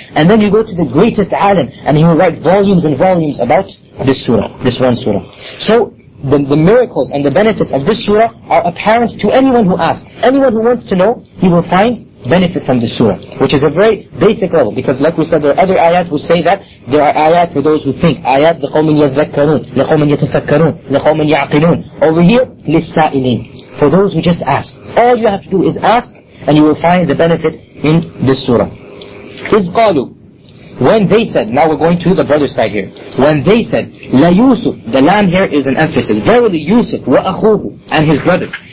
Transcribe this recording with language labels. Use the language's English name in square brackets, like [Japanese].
[English] And then you go to the greatest alim, and he will write volumes and volumes about this surah, this one surah. So the miracles and the benefits of this surah are apparent to anyone who asks. Anyone who wants to know, he will find benefit from the surah, which is a very basic level, because like we said, there are other ayat who say that there are ayat for those who think. [Arabic] Ayat لِقَوْمٍ يَذَّكَّرُونَ لِقَوْمٍ يَتَفَكَّرُونَ لِقَوْمٍ يَعْقِلُونَ. [English] Over here, [Arabic] لِلسَّائِلِينَ, [English] for those who just ask. All you have to do is ask, and you will find the benefit in this surah. [Arabic] إِذْ قَالُوا, [English] when they said, now we're going to the brother's side here, when they said, [Arabic] لَا يُوسُف, [English] the lamb here is an emphasis, verily Yusuf [Arabic] وَأَخُوهُ, [English] and his brother.